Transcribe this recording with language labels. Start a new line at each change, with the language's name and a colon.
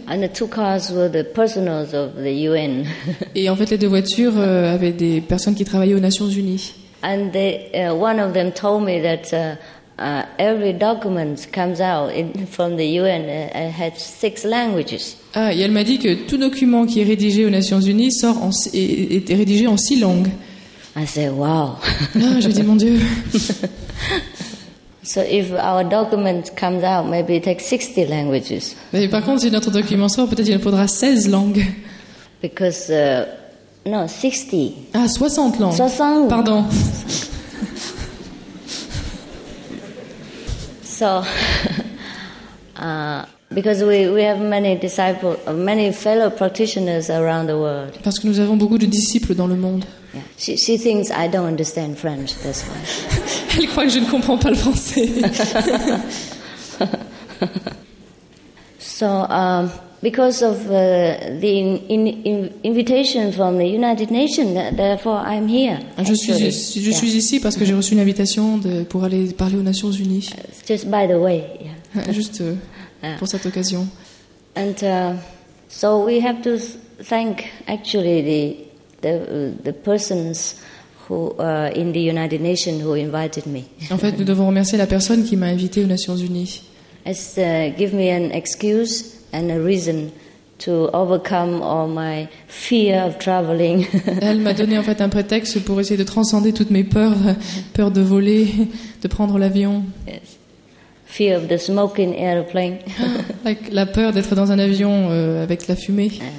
English: And the two cars were the personnels of the UN.
French: Et en fait, les deux voitures avaient des personnes qui travaillaient aux Nations Unies.
English: And they, one of them told me that every document comes out from the UN has six languages.
French: Ah, et elle m'a dit que tout document qui est rédigé aux Nations Unies sort en, est rédigé en six langues.
English: I said, wow.
French: Ah, je dis, mon Dieu.
English: So if our document comes out, maybe it takes 60 languages.
French: Mais par contre, si notre document sort, peut-être il faudra 16 langues.
English: Because, no, 60.
French: Ah, 60 langues.
English: 60.
French: Pardon.
English: So, because we have many disciples, many fellow practitioners around the world.
French: Parce que nous avons beaucoup de disciples dans le monde.
English: Yeah. She thinks I don't understand French, that's why.
French: Elle croit que je ne comprends pas le français.
English: So, because of the invitation from the United Nations, therefore I'm here.
French: Je suis ici parce que j'ai reçu une invitation pour aller parler aux Nations Unies.
English: Just by the way. Yeah.
French: Juste pour cette occasion.
English: And so we have to thank actually the persons who in the United Nations who invited me.
French: En fait, nous devons remercier la personne qui m'a invité aux Nations Unies.
English: It's give me an excuse and a reason to overcome all my fear of traveling.
French: Elle m'a donné en fait un prétexte pour essayer de transcender toutes mes peur de voler, de prendre l'avion.
English: Yes. Fear of the smoking airplane.
French: Like la peur d'être dans un avion avec la fumée.